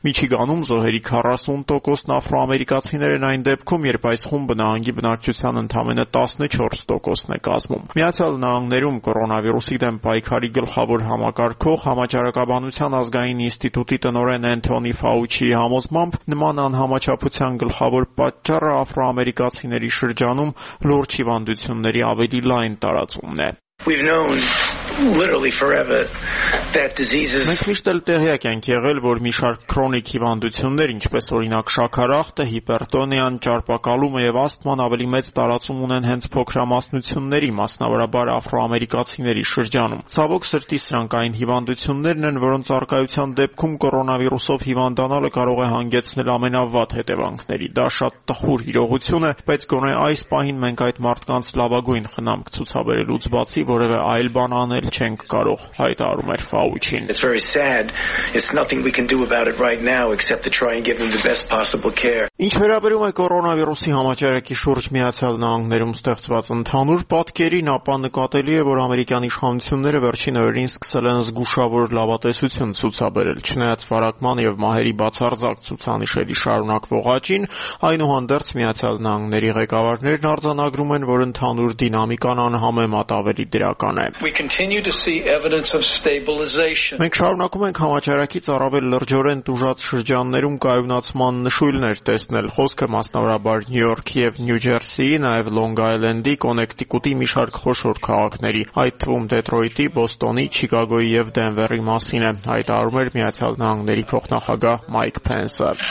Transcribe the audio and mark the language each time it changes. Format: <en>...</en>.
<hy>Միչիգանում զոհերի 40%-ն աֆրոամերիկացիներ են այն դեպքում, երբ այս խումբը նահանգի բնակչության ընդամենը 14%-ն է կազմում։ Միացյալ Նահանգներում կորոնավիրուսի դեմ պայքարի գլխավոր համակարգող համաճարակաբանության ազգային ինստիտուտի տնօրեն Էնթոնի Ֆաուչիի համոզմամբ նման անհամաչափության գլխավոր պատճառը աֆրոամերիկացիների շրջանում լուրջ հիվանդությունների ավելի լայն տարածումն է։</hy> <en>We've known literally forever that diseases.</en> <hy>Մենք միշտ էլ տեղյակ ենք եղել, որ մի շարք քրոնիկ հիվանդություններ, ինչպես օրինակ շաքարախտը, հիպերտոնիան, ճարպակալումը եւ ասթման ավելի մեծ տարածում ունեն հենց փոքրամասնությունների, մասնավորապես աֆրոամերիկացիների շրջանում։ Ցավոք սրտի սրանք այն հիվանդություններն են, որոնց առկայության դեպքում կորոնավիրուսով հիվանդանալը կարող է հանգեցնել ամենավատ հետևանքների։ Դա շատ տխուր իրողություն է, բայց գոնե այս պահին մենք այդ մարդկանց լավագույն խնամք ցուցաբերելուց բաց որևէ այլ բան անել չենք կարող, հայտարարում էր Ֆաուչին։</hy> <en>It's very sad. It's nothing we can do about it right now except to try and give them the best possible care.</en> <hy>Ինչ վերաբերում է կորոնավիրուսի համաճարակի շուրջ Միացյալ Նահանգներում ստեղծված ընդհանուր պատկերին, ապա նկատելի է, որ ամերիկյան իշխանությունները վերջին օրերին սկսել են զգուշավոր լավատեսություն ցուցաբերել, չնայած վարակման և մահերի բացարձակ ցուցանիշերի շարունակվող աճին։ Այնուհանդերձ Միացյալ Նահանգների ղեկավարներն արձանագրում են, որ ընդհանուր դինամիկան անհամեմատ ավելի դրական է։</hy> <en>We continue to see evidence of stabilization.</en> <hy>Մենք շարունակում ենք համաճարակից առավել լրջորեն տուժած շրջաններում կայունացման նշույլներ տեսնել, խոսքը մասնավորաբար Նյու Յորքի և Նյու Ջերսիի, նաև Լոնգ Այլենդի, Կոնեկտիկուտի մի շարք խոշոր քաղաքների, այդ թվում Դետրոյթի, Բոստոնի, Չիկագոյի և Դենվերի մասին է, հայտարարում էր Միացյալ Նահանգների փոխնախագահ Մայք Պենսը։</hy>